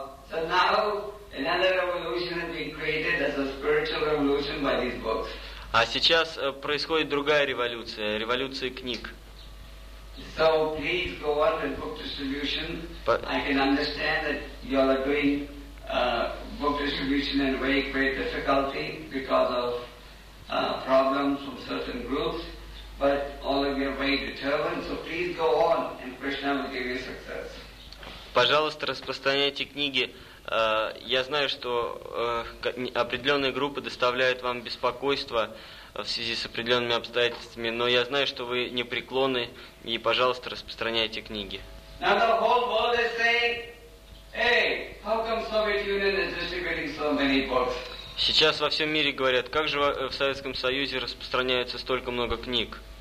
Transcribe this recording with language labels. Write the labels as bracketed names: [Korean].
[English] So now another revolution has been created as a spiritual revolution by these books. [Russian] А сейчас происходит другая революция, революция книг. [English] So please go on with book distribution. I can understand that you are doing book distribution in very great difficulty because of problems from certain groups, but all of you are very determined, so please go on and Krishna will give you success. [Russian] Пожалуйста, распространяйте книги. Я знаю, что определенные группы доставляют вам беспокойство в связи с определенными обстоятельствами, но я знаю, что вы непреклонны, и, пожалуйста, распространяйте книги. [English] Now the whole world is saying, hey, how come Soviet Union is distributing so many books? [Russian] Сейчас во всем мире говорят, как же в Советском Союзе распространяется столько много книг.